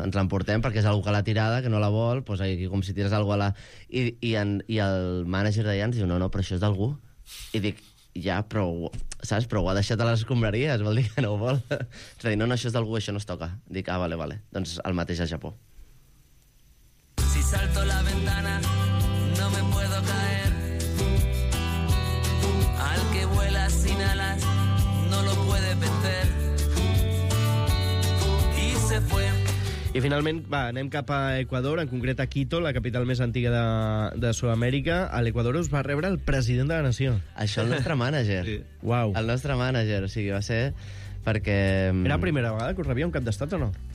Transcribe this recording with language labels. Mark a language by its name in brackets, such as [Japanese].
[Catalan] Ens l'emportem perquè és algú que l'ha tirada, que no la vol, doncs aquí com si tires algú a la... I el mànager d'allà ens diu, no, però això és d'algú. I dic, ja, però, saps, però ho ha deixat a les escombraries, vol dir que no ho vol. És a dir, no, no, això és d'algú, això no es toca. Dic, ah, vale, vale, doncs el mateix a Japó. [Spanish] Si salto la ventana, no me puedo caer. Al que vuela sin alas, no lo puede vencer. Y se fue. [Catalan] I finalment, va, anem cap a Ecuador, en concret a Quito, la capital més antiga de Sud-amèrica. A l'Ecuador us va rebre el president de la nació. Això, el nostre mànager. Sí. Wow. El nostre mànager, o sigui, va ser perquè... Era la primera vegada que us rebia un cap d'estat o no?